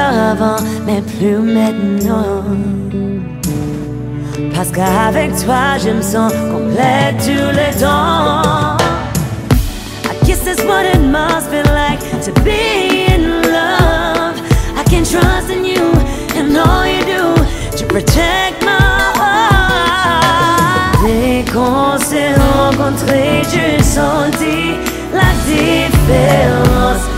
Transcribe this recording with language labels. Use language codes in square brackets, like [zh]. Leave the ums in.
[fr] avant, mais plus maintenant. Parce qu'avec toi, je me sens complet tous les temps. [en] I guess that's what it must be like to be in love. I can trust in you and all you do to protect my heart. [fr] Dès qu'on s'est rencontrés, J'ai senti la différence.